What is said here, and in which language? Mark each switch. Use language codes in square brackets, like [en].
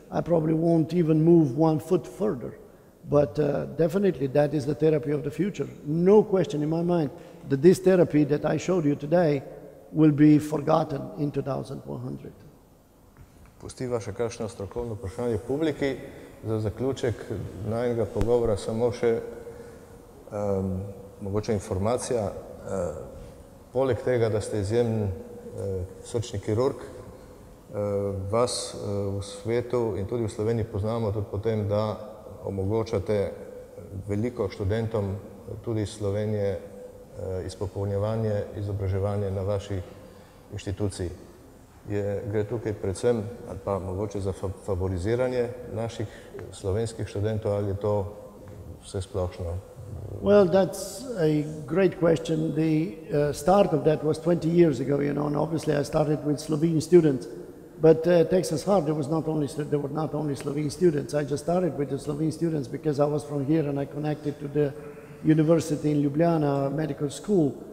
[en] I probably won't even move one foot further. But definitely that is the therapy of the future. No question in my mind that this therapy that I showed you today will be forgotten in 2100. [sl] Pustiva še kakšno strokovno vprašanje publiki. Za zaključek najnega pogovora samo še mogoče informacija. Poleg tega, da ste izjemen srčni kirurg, vas v svetu in tudi v Sloveniji poznamo tudi potem, da omogočate veliko študentom tudi iz Slovenije izpopolnjevanje, izobraževanje na vaši inštituciji. Gre tukaj predvsem, ali pa mogoče za favoriziranje naših slovenskih študentov, ali je to vse splošno? [en] Well, that's a great question. The start of that was 20 years ago, you know, and obviously I started with Slovene students. But Texas Heart, there were not only Slovene students. I just started with the Slovene students because I was from here and I connected to the university in Ljubljana, medical school.